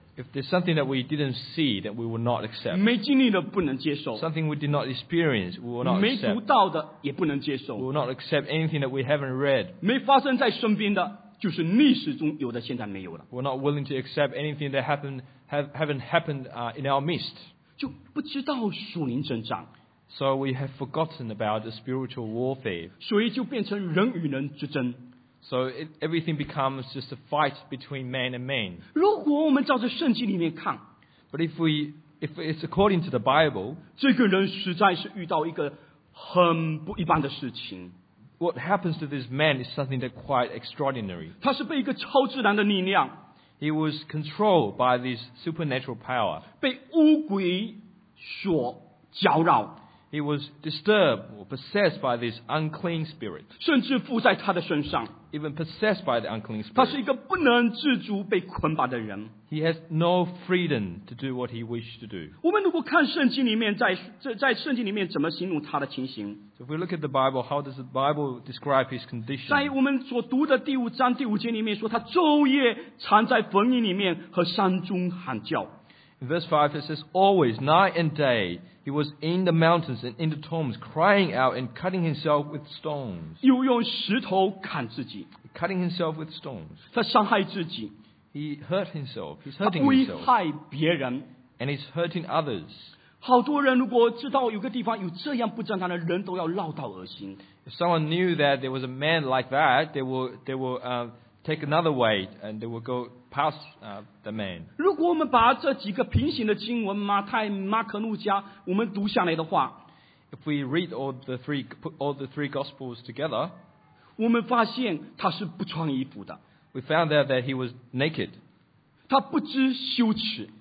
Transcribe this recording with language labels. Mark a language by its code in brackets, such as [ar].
[en] If there's something that we didn't see that we will not accept. [zh] 没经历的不能接受 [en] Something we did not experience, we will not accept. [zh] 没读到的也不能接受 [en] We will not accept anything that we haven't read. [zh] 没发生在身边的就是历史中有的现在没有了 [en] We're not willing to accept anything that haven't happened in our midst. [zh] 就不知道属灵征战 [en] So we have forgotten about the spiritual warfare. [zh] 所以就变成人与人之争 [en] So everything becomes just a fight between man and man. [zh] 如果我们照着圣经里面看 [en] But if it's according to the Bible, [zh] 这个人实在是遇到一个很不一般的事情 [en] What happens to this man is something that's quite extraordinary. [zh] 他是被一个超自然的力量 [en] He was controlled by this supernatural power. [zh] 被巫鬼所搅扰。 [en] He was disturbed or possessed by this unclean spirit. [zh] 甚至附在他的身上。 [en] Even possessed by the unclean spirit. [zh] 他是一个不能自主被捆绑的人。 [en] He has no freedom to do what he wished to do. [zh] 我们如果看圣经里面，在圣经里面怎么形容他的情形。 [en] So if we look at the Bible, how does the Bible describe his condition? [zh] 在我们所读的第五章第五节里面说，他昼夜藏在坟茔里面和山中喊叫。 [en] In verse 5, it says, Always, night and day, he was in the mountains and in the tombs, crying out and cutting himself with stones. [zh] 又用石头砍自己。 [en] Cutting himself with stones. [zh] 他伤害自己。 [en] He hurt himself. He's hurting himself. [zh] 他故意害别人。 [en] And he's hurting others. [zh] 好多人如果知道有个地方有这样不正常的人都要绕道而行。 [en] If someone knew that there was a man like that, they will take another way and they will go... Past, the man. [zh] 如果我们把这几个平行的经文马太、马可、路加，我们读下来的话 [en] ，If we read all the three gospels together， [zh] 我们发现他是不穿衣服的。 [en] We found out that he was naked. [zh] 他不知羞耻。